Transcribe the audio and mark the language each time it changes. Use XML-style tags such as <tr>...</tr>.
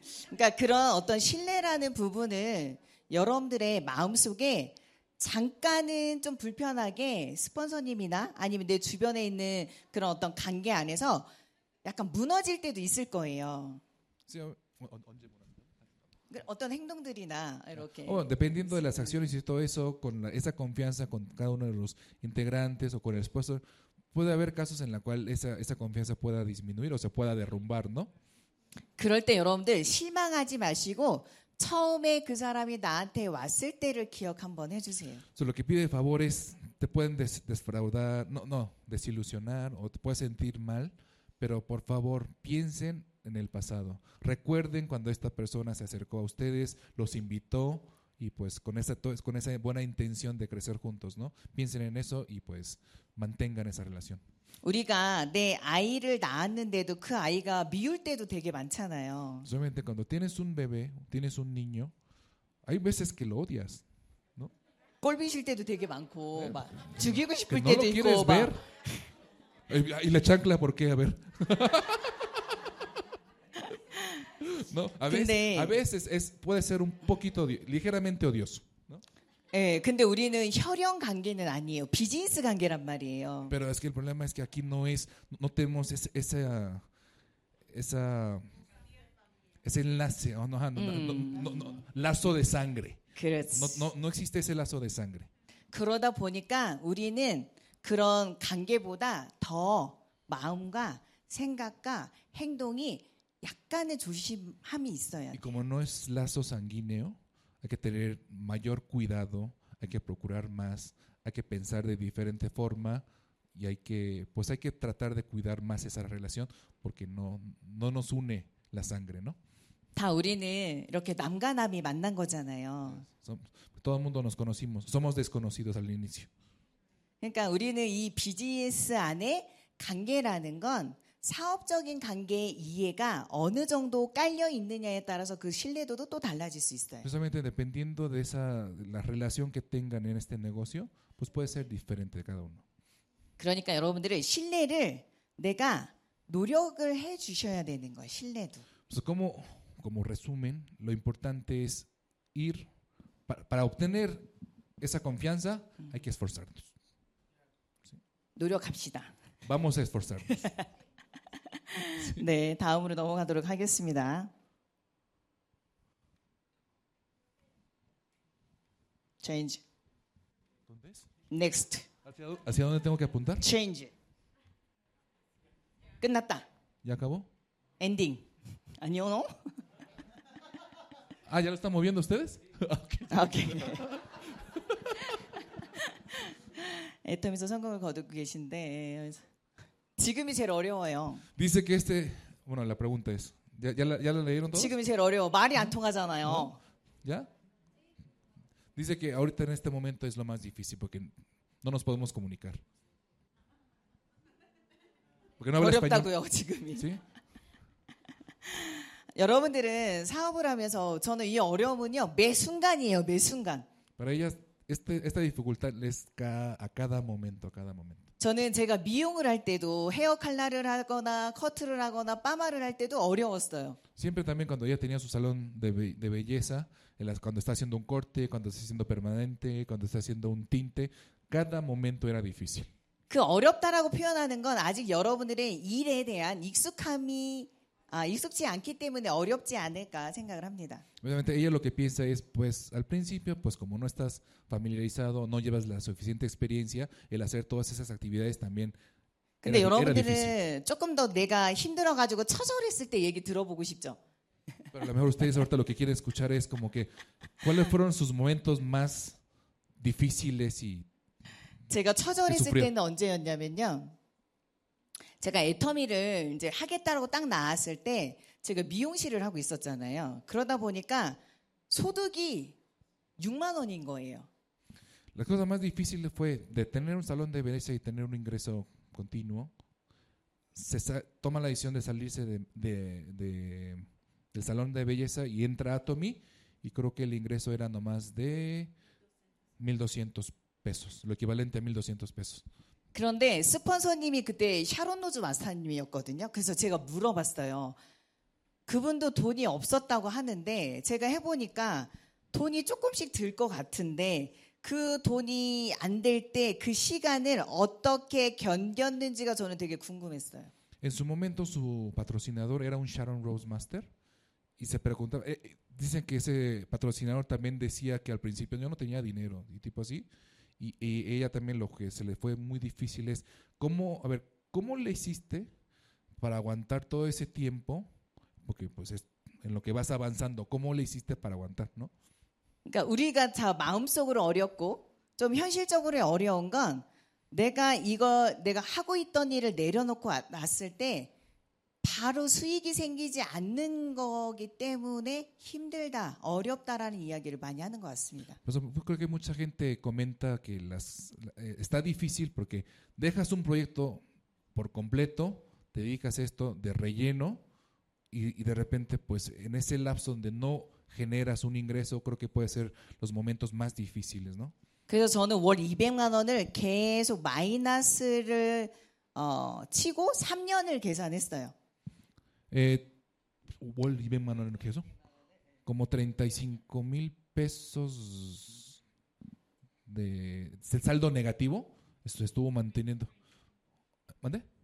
<ko>그러니까 그런 어떤 신뢰라는 부분을 여러분들의 마음속에 잠깐은 좀 불편하게 스폰서님이나 아니면 내 주변에 있는 그런 어떤 관계 안에서 약간 무너질 때도 있을 거예요. 언제 무너져? 어떤 행동들이나 이렇게.</ko> <es>Dependiendo de las acciones y todo eso, con esa confianza con cada uno de los integrantes o con el sponsor, puede haber casos en la cual esa confianza pueda disminuir o se pueda derrumbar, ¿no?</es> <ko>그럴 때 여러분들 실망하지 마시고. 처음에 그 사람이 나한테 왔을 때를 기억 한번 해주세요.</ko> <es>So lo que pide favor es te pueden defraudar, no, desilusionar o te puedes sentir mal, pero por favor piensen en el pasado. Recuerden cuando esta persona se acercó a ustedes, los invitó y pues con esa buena intención de crecer juntos, ¿no? Piensen en eso y pues mantengan esa relación.</es> <ko>우리가 내 아이를 낳았는데도 그 아이가 미울 때도 되게 많잖아요.</ko> <es>Solamente cuando tienes un bebé, tienes un niño, hay veces que lo odias, ¿no?</es> <ko>꼴비실 때도 되게 많고 막 죽이고 싶을 때도 있고 막.</ko> <es>Que no lo quieres ver. ¿Y la chancla por qué? A ver. No, a veces puede ser un poquito ligeramente odioso.</es> <ko>예, 근데 우리는 혈연 관계는 아니에요. 비즈니스 관계란 말이에요.</ko> <es>Pero es que el problema es que aquí no es no tenemos ese enlace, no, lazo de sangre.</es> <ko>그렇지.</ko> <es>No existe ese lazo de sangre.</es> <ko>그러다 보니까 우리는 그런 관계보다 더 마음과 생각과 행동이 약간의 조심함이 있어야 돼.</ko> <es>Y como no es lazo sanguíneo, hay que tener mayor cuidado, hay que procurar más, hay que pensar de diferente forma y hay que, pues hay que tratar de cuidar más esa relación porque no nos une la sangre, ¿no?</es> <ko>다 우리는 이렇게 남과 남이 만난 거잖아요.</ko> <es>Todo el mundo nos conocimos. Somos desconocidos al inicio.</es> <ko>그러니까 우리는 이 비즈니스 안에 관계라는 건 사업적인 관계의 이해가 어느 정도 깔려 있느냐에 따라서 그 신뢰도도 또 달라질 수 있어요.</ko> <es>Justamente dependiendo de esa la relación que tengan en este negocio, pues puede ser diferente de cada uno.</es> <ko>그러니까 여러분들은 신뢰를 내가 노력을 해 주셔야 되는 거예요. 신뢰도.</ko> <es>So como resumen, lo importante es ir para obtener esa confianza, hay que esforzarnos.</es> <ko>¿Sí? 노력합시다.</ko> <es>Vamos a esforzarnos.</es> <ko>네, 다음으로 넘어가도록 하겠습니다. 체인지.</ko> <es>¿Dónde es?</es> <en>Next.</en> <es>¿Hacia dónde tengo que apuntar?</es> <en>Change.</en> <ko>끝났다.</ko> <es>¿Ya acabó?</es> <ko>Ending. 아니요, ¿no?</ko> <es>¿Ah, ya lo están moviendo ustedes? Okay.</es> <ko>애터미에서 성공을 거두고 계신데 지금이 제일 어려워요.</ko> <es>Dice que este, bueno, la pregunta es, ¿ya la leyeron todos?</es> <ko>지금이 제일 어려워. 말이 안 통하잖아요.</ko> <es>¿Ya? Dice que ahorita en este momento es lo más difícil porque no nos podemos comunicar. Porque no habla español.</es> <ko>어렵다고요, 지금이.</ko> <es>¿Sí?</es> <ko>여러분들은 사업을 하면서 저는 이 어려움은요 매 순간이에요, 매 순간.</ko> <es>Para ellas, esta dificultad les cae a cada momento, a cada momento.</es> <ko>저는 제가 미용을 할 때도 헤어 칼라를 하거나 커트를 하거나 파마를 할 때도 어려웠어요.</ko> <es>Siempre también cuando ella tenía su salón de belleza, cuando está haciendo un corte, cuando está haciendo permanente, cuando está haciendo un tinte, cada momento era difícil.</es> <ko>그 어렵다라고 표현하는 건 아직 여러분들의 일에 대한 익숙함이 익숙지 않기 때문에 어렵지 않을까 생각을 합니다.</ko> <es>Obviamente ella lo que piensa es pues al principio pues como no estás familiarizado, no llevas la suficiente experiencia el hacer todas esas actividades también.</es> <ko>근데 여러분들은 조금 더 내가 힘들어 가지고 처절했을 때 얘기 들어보고 싶죠.</ko> <es>Pero a lo mejor ustedes ahorita lo que quieren escuchar es como que cuáles fueron sus momentos más difíciles y</es> <ko>제가 처절했을 때는 언제였냐면요. 제가 애터미를 이제 하겠다라고 딱 나왔을 때 제가 미용실을 하고 있었잖아요. 그러다 보니까 소득이 6만 원인 거예요.</ko> <es>La cosa más difícil fue de tener un salón de belleza y tener un ingreso continuo. Se toma la decisión de salirse del salón de belleza y entra a Tommy y creo que el ingreso era nomás de 1200 pesos, lo equivalente a 1200 pesos.</es> <ko>그런데 스폰서님이 그때 샤론노즈 마스터님이었거든요. 그래서 제가 물어봤어요. 그분도 돈이 없었다고 하는데 제가 해보니까 돈이 조금씩 들 것 같은데 그 돈이 안 될 때 그 시간을 어떻게 견뎠는지가 저는 되게 궁금했어요.</ko> <es>En su momento su patrocinador era un Sharon Rose Master y se preguntaba, dicen que ese patrocinador también decía que al principio yo no tenía dinero y tipo así. Y ella también lo que se le fue muy difícil es cómo le hiciste para aguantar todo ese tiempo porque pues es en lo que vas avanzando cómo le hiciste para aguantar, ¿no?</es> <ko>그러니까 우리가 다 마음속으로 어렵고 좀 현실적으로 어려운 건 내가 하고 있던 일을 내려놓고 왔을 때 바로 수익이 생기지 않는 거기 때문에 힘들다, 어렵다라는 이야기를 많이 하는 것 같습니다.</ko> <es>Pues creo que mucha gente comenta que está difícil porque dejas un proyecto por completo, te dedicas esto de relleno y de repente pues en ese lapso donde no generas un ingreso creo que puede ser los momentos más difíciles, ¿no?</es> <ko>그래서 저는 월 200만 원을 계속 마이너스를 치고 3년을 계산했어요. 월 200만 원을 계속</ko> <es>como 35 mil pesos de saldo negativo estuvo manteniendo. ¿Mande?</es>